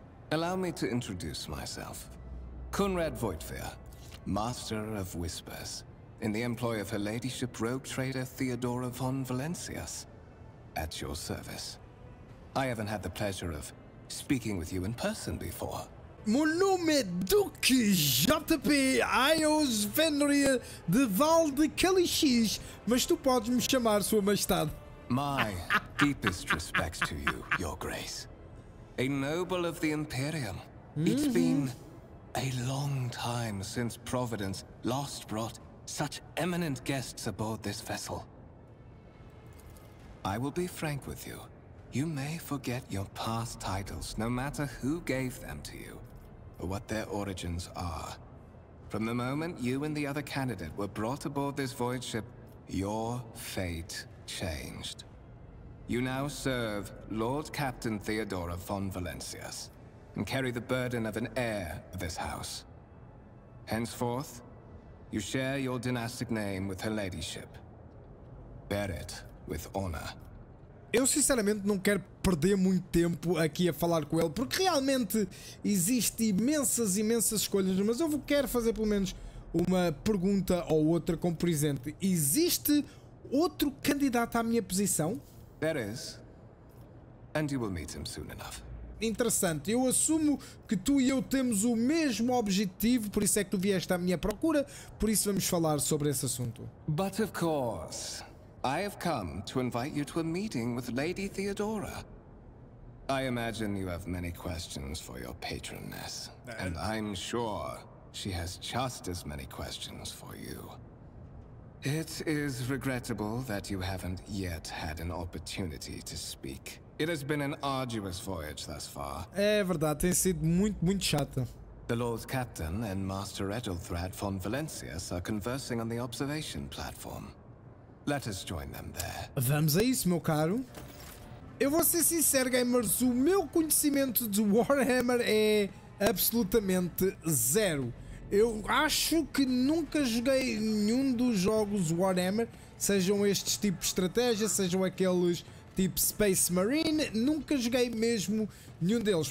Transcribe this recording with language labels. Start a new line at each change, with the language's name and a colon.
English: Allow me to introduce myself. Conrad Voitfear, Master of Whispers, in the employ of Her Ladyship Rogue Trader Theodora von Valencius. At your service. I haven't had the pleasure of speaking with you in person before.
Portuguese: Meu nome é Duque JP Ios Venry de Val de Calixis, mas tu podes me chamar Sua Majestade.
English: My deepest respects to you, Your Grace. A noble of the Imperium. Mm-hmm. It's been a long time since Providence last brought such eminent guests aboard this vessel. I will be frank with you. You may forget your past titles, no matter who gave them to you, or what their origins are. From the moment you and the other candidate were brought aboard this void ship, your fate changed. You now serve Lord Captain Theodora von Valencius, and carry the burden of an heir of this house. Henceforth, you share your dynastic name with her ladyship. Bear it with honor.
Portuguese: Eu sinceramente não quero perder muito tempo aqui a falar com ele, porque realmente existem imensas escolhas, mas eu quero fazer pelo menos uma pergunta ou outra, como por exemplo, existe outro candidato à minha posição?
English: There is. And you will meet him soon enough.
Portuguese: Interessante, eu assumo que tu e eu temos o mesmo objetivo, por isso é que tu vieste à minha procura, por isso vamos falar sobre esse assunto.
English: But of course. I have come to invite you to a meeting with Lady Theodora. I imagine you have many questions for your patroness, and I'm sure she has just as many questions for you. It is regrettable that you haven't yet had an opportunity to speak. It has been an arduous voyage thus far.
Portuguese: É verdade, tem sido muito, muito chata.
English: The Lord Captain and Master Edelthrad von Valencius are conversing on the observation platform. Let us join them there.
Portuguese: Vamos a isso, meu caro. Eu vou ser sincero, gamers, o meu conhecimento de Warhammer é absolutamente zero. Eu acho que nunca joguei nenhum dos jogos Warhammer, sejam estes tipo de estratégia, sejam aqueles tipo Space Marine, nunca joguei mesmo nenhum deles.